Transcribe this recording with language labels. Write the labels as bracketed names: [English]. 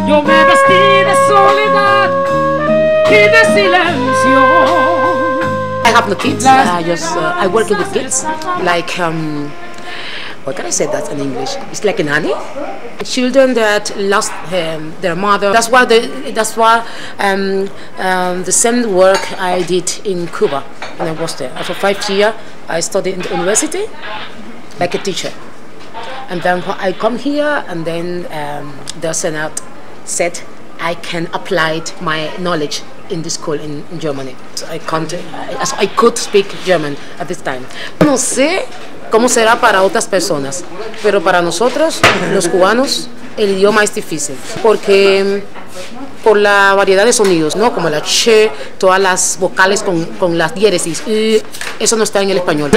[Spanish] Yo me vestí de soledad y de silencio. [English] I have no kids. I work with kids. Like, what can I say that in English? It's like a nanny. Children that lost their mother. That's why the same work I did in Cuba when I was there. After 5 years, I studied in the university like a teacher. And then I come here, and then the Senate said I can apply my knowledge in the school in Germany. I could speak German at this time. [Spanish] No sé cómo será para otras personas, pero para nosotros, los cubanos, el idioma es difícil porque por la variedad de sonidos, ¿no? Como la che, todas las vocales con las diéresis, y eso no está en el español.